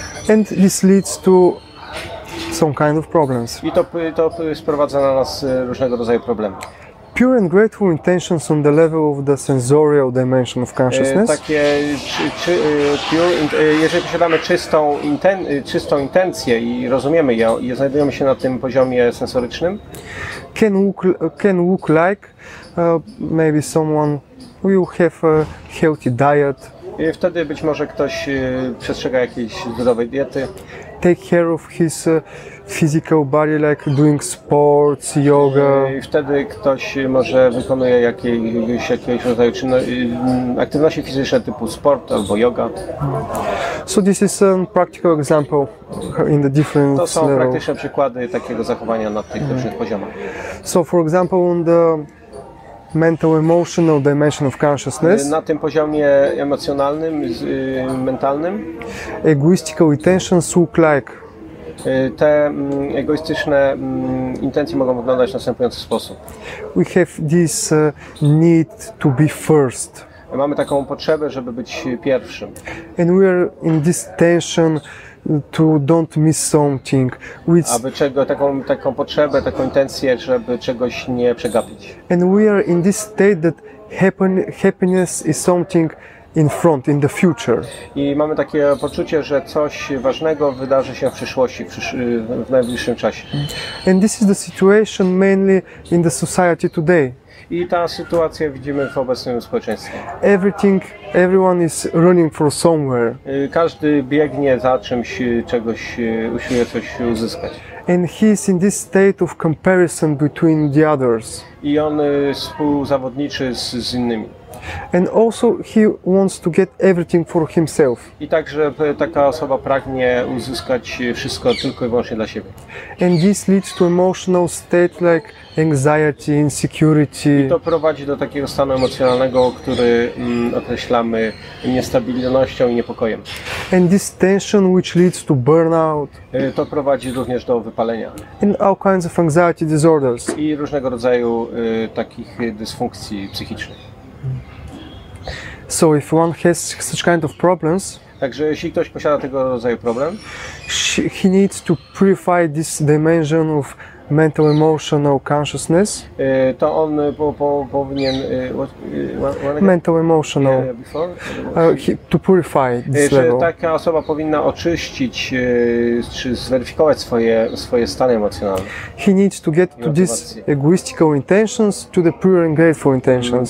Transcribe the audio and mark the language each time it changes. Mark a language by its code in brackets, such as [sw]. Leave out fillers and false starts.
[en] And this leads to some kind of problems. [pl] I to sprowadza na nas różnego rodzaju problemy. [en] Pure and grateful intentions on the level of the sensorial dimension of consciousness. [pl] Takie pure, jeżeli posiadamy czystą intencję i rozumiemy ją i znajdujemy się na tym poziomie sensorycznym. [en] Can look like maybe someone will have a healthy diet. [pl] I wtedy być może ktoś przestrzega jakiejś zdrowej diety. [en] Take care of his physical body, like doing sports, yoga. [pl] I wtedy ktoś może wykonuje jakiegoś rodzaju aktywności fizyczne typu sport albo yoga. [en] So this is a practical example in the different [pl] levels. To są praktyczne przykłady takiego zachowania na tych różnych poziomach. [en] So for example on the mental emotional dimension of consciousness. [pl] Na tym poziomie emocjonalnym, mentalnym. [en] Egoistical intentions look like. [pl] Te egoistyczne intencje mogą wyglądać w następujący sposób. [en] We have this need to be first. [pl] Mamy taką potrzebę, żeby być pierwszym. [en] And we are in this tension to don't miss something. [pl] Aby czego taką potrzebę, taką intencję, żeby czegoś nie przegapić. [en] And we are in this state that happiness is something in front, in the future. [pl] I mamy takie poczucie, że coś ważnego wydarzy się w przyszłości, w najbliższym czasie. [en] And this is the situation mainly in the society today. [pl] I ta sytuacja widzimy w obecnym społeczeństwie. [en] Everything, everyone is running for somewhere. [pl] Każdy biegnie za czymś, czegoś, usiłuje coś uzyskać. [en] And he is in this state of comparison between the others. [pl] I on współzawodniczy z innymi. [en] And also he wants to get everything for himself. [pl] I także taka osoba pragnie uzyskać wszystko tylko i wyłącznie dla siebie. [en] And this leads to emotional state like anxiety, insecurity. [pl] I to prowadzi do takiego stanu emocjonalnego, który określamy niestabilnością i niepokojem. [en] And this tension which leads to burnout. [pl] To prowadzi również do wypalenia. [en] And all kinds of anxiety disorders. [pl] I różnego rodzaju takich dysfunkcji psychicznych. [en] So if one has such kind of problems, [pl] także jeśli ktoś posiada tego rodzaju problem, [en] he needs to purify this dimension of mental emotional consciousness. [pl] To on powinien [en] mental emotional to purify this level. [pl] Taka osoba powinna oczyścić czy zweryfikować swoje stany emocjonalne. [en] He needs to get to these egoistical intentions to the pure and grateful intentions.